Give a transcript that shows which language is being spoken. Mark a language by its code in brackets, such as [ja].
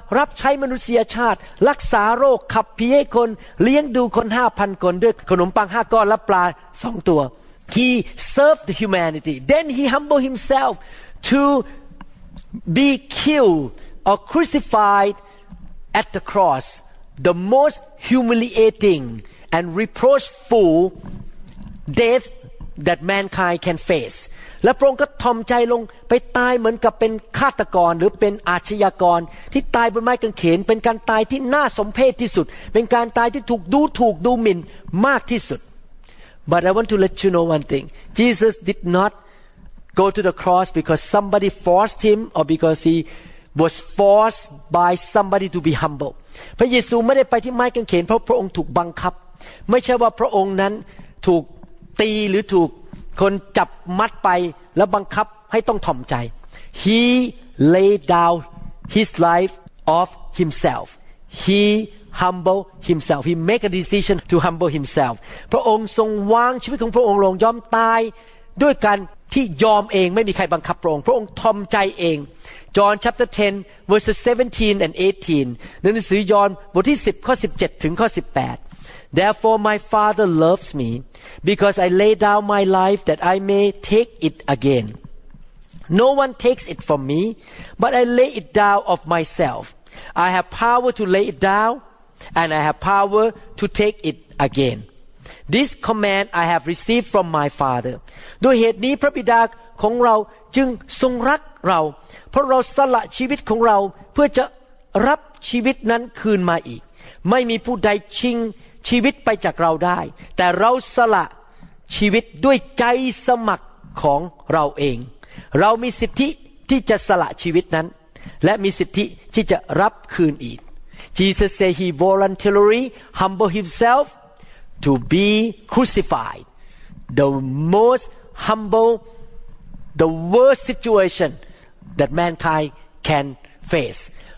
[th] รับใช้มนุษยชาติรักษาโรคขับผีให้คนเลี้ยงดูคน 5,000 คนด้วยขนมปัง5ก้อนและปลา2ตัว [en] he served the humanity then he humbled himself to be killed or crucifiedAt the cross, the most humiliating and reproachful death that mankind can face. [th] และพระองค์ก็ทอมใจลงไปตายเหมือนกับเป็นฆาตกรหรือเป็นอาชญากรที่ตายบนไม้กางเขนเป็นการตายที่น่าสมเพชที่สุดเป็นการตายที่ถูกดูถูกดูหมิ่นมากที่สุด [en] But I want to let you know one thing. Jesus did not go to the cross because somebody forced him or because he. Was forced by somebody to be humble. [th] พระเยซูไม่ได้ไปที่ไม้กางเขนเพราะพระองค์ถูกบังคับไม่ใช่ว่าพระองค์นั้นถูกตีหรือถูกคนจับมัดไปแล้วบังคับให้ต้องถ่อมใจ [en] He laid down his life of himself. He humbled himself. He made a decision to humble himself. [th] พระองค์ทรงวางชีวิตของพระองค์ลงยอมตายด้วยการที่ยอมเองไม่มีใครบังคับพระองค์พระองค์ถ่อมใจเองJohn chapter 10 verses 17 and 18. หนังสือยอห์นบทที่10ข้อ17ถึงข้อ18. [en] Therefore my Father loves me because I lay down my life that I may take it again. No one takes it from me, but I lay it down of myself. I have power to lay it down and I have power to take it again. This command I have received from my Father. [th] ด้วยเหตุนี้พระบิดาของเราจึงทรงรักเราเพราะเราสละชีวิตของเราเพื่อจะรับชีวิตนั้นคืนมาอีกไม่มีผู้ใดชิงชีวิตไปจากเราได้แต่เราสละ ชีวิตด้วยใจสมัครของเราเองเรามีสิทธิที่จะสละชีวิตนั้นและมีสิทธิที่จะรับคืนอีก [en] Jesus said he voluntarily humbled himself to be crucified the most humbleThe worst situation that mankind can face.